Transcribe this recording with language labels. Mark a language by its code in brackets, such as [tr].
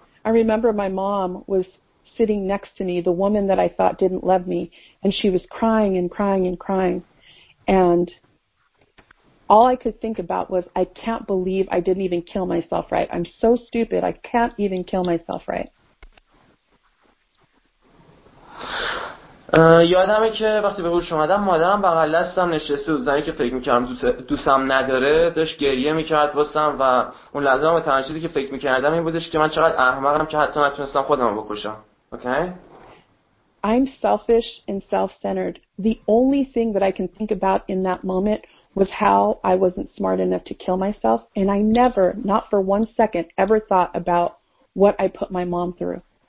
[en] I remember my mom was sitting next to me, the woman that I thought didn't love me, and she was crying and crying and crying. And all I could think about was, I can't believe I didn't even kill myself right. I'm so stupid, I can't even kill myself right. [fa] یادمه که وقتی به هوش اومدم مادرم بغل دستم نشسته بود، زنی که فکر میکردم دوستم نداره داشت گریه میکرد واسم و اون لحظه هم تنها چیزی که فکر میکردم این بودش که من چقدر احمقم که حتی نتونستم خودم رو بکشم. [en] Okay? Okay? I'm selfish and self-centered. The only thing that I can think about in that moment was how I wasn't smart enough to kill myself and I never, not for one second, ever thought about what I put my mom through.